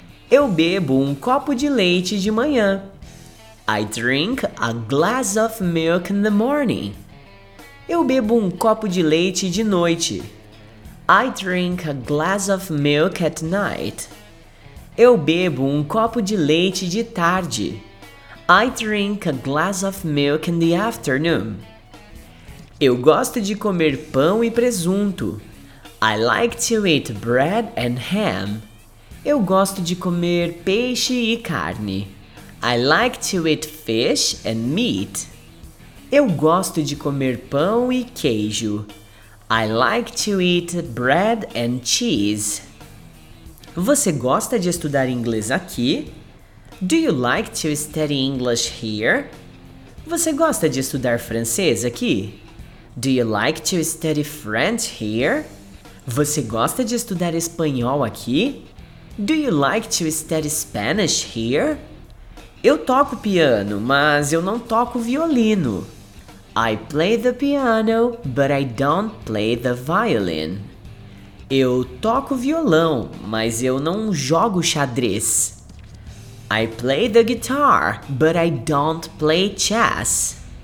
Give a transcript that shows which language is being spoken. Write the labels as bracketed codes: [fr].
[pt] Eu bebo um copo de leite de manhã. [en] I drink a glass of milk in the morning. [pt] Eu bebo um copo de leite de noite. [en] I drink a glass of milk at night. [pt] Eu bebo um copo de leite de tarde. [en] I drink a glass of milk in the afternoon. [pt] Eu gosto de comer pão e presunto. [en] I like to eat bread and ham. [pt] Eu gosto de comer peixe e carne. [en] I like to eat fish and meat. [pt] Eu gosto de comer pão e queijo. [en] I like to eat bread and cheese. [pt] Você gosta de estudar inglês aqui? [en] Do you like to study English here? [pt] Você gosta de estudar francês aqui? [en] Do you like to study French here? [pt] Você gosta de estudar espanhol aqui? [en] Do you like to study Spanish here? [pt] Eu toco piano, mas eu não toco violino. [en] I play the piano, but I don't play the violin. [pt] Eu toco violão, mas eu não jogo xadrez. [en] I play the guitar, but I don't play chess.